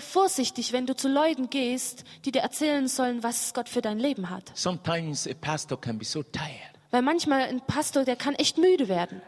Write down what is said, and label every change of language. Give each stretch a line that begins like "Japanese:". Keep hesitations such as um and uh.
German: vorsichtig, wenn du zu Leuten gehst, die dir erzählen sollen, was Gott für dein Leben hat.
English: Sometimes a pastor can be so tired.
German: Weil manchmal ein Pastor, der kann echt müde werden.